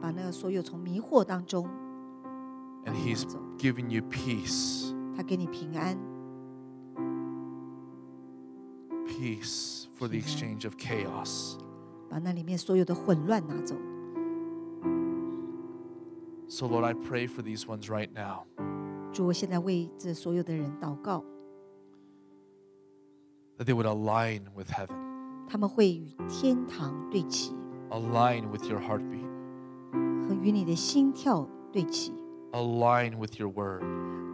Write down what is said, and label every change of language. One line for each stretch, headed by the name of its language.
Chinese: 把那个所有从迷惑当中。
English: And he's giving you peace.
Chinese: 他给你平安。
English: Peace for the exchange of chaos.
Chinese: 把那里面所有的混乱拿走。
English: So Lord, I pray for these ones right now.
Chinese: 主，我现在为这所有的人祷告。
English: That they would align with heaven.
Chinese: 他们会与天堂对齐。
English: Align with your heartbeat.
Chinese: 和与你的心跳对齐。
English: Align with your word.